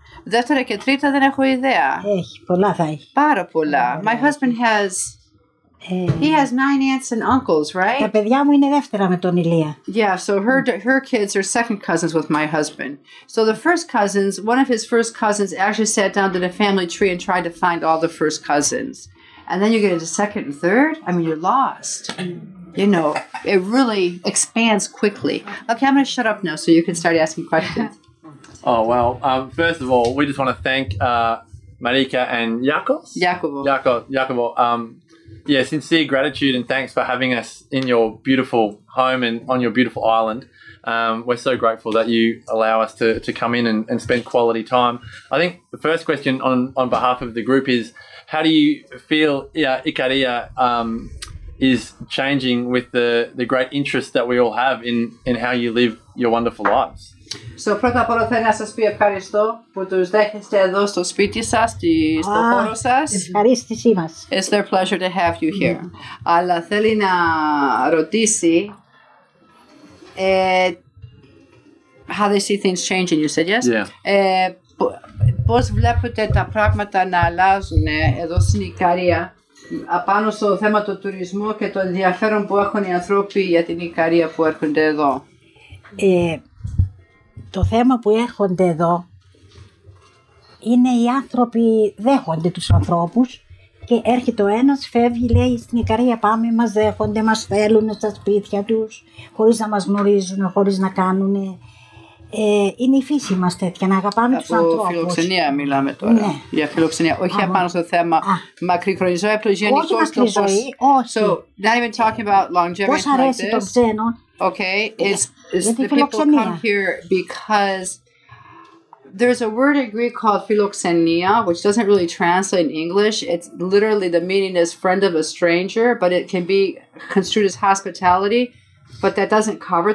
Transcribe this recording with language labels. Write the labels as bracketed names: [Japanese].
[Greek] Δεύτερα και τρίτα δεν έχω ιδέα. Έχει, πολλά θα έχει. Πάρα πολλά. [English] My husband has... he has 9 aunts and uncles, right? [Greek] Τα παιδιά μου είναι δεύτερα με τον Ηλία. [English] Yeah, so her kids are second cousins with my husband. So the first cousins, one of his first cousins actually sat down to the family tree and tried to find all the first cousins. And then you get into second and third, I mean, you're lost. You know, it really expands quickly. Okay, I'm going to shut up now so you can start asking questions. Oh, well, first of all, we just want to thank Marika and Jakubo. Sincere gratitude and thanks for having us in your beautiful home and on your beautiful island. We're so grateful that you allow us to come in and spend quality time. I think the first question on behalf of the group is, how do you feel Ikaria is changing with the great interest that we all have in how you live your wonderful lives? [Greek] So, πρώτα απ' όλα, θέλω να σας πω ευχαριστώ που τους δέχεστε εδώ στο σπίτι σας, στο χώρο σας. Ευχαριστήσή μας. [English] It's their pleasure to have you here. [Greek] Αλλά θέλει να ρωτήσει, [English] how they see things changing, you said, yes? Yeah. [Greek] Πώς βλέπετε τα πράγματα να αλλάζουν εδώ στην Ικαρία, απάνω στο θέμα του τουρισμού και το ενδιαφέρον που έχουν οι ανθρώποι για την Ικαρία που έρχονται εδώ. Το θέμα που έρχονται εδώ είναι οι άνθρωποι δέχονται τους ανθρώπους και έρχεται ο ένας, φεύγει, λέει στην Ικαρία πάμε, μας δέχονται, μας θέλουν στα σπίτια τους, χωρίς να μας γνωρίζουν, χωρίς να κάνουν. Είναι η φύση μας τέτοια, να αγαπάμε τους ανθρώπους. Από φιλοξενία μιλάμε τώρα. Ναι. Για φιλοξενία, όχι απάνω στο θέμα μακρύχρονη ζωή. Όχι μακρύ ζωή, όχι. [English] So, not even talking about longevity [Greek] πώς αρέσει [English] like [Greek] τον ξένο. [English] Okay, is the people come here because there's a word in Greek called philoxenia, which doesn't really translate in English. It's literally the meaning is friend of a stranger, but it can be construed as hospitality, but that doesn't cover it.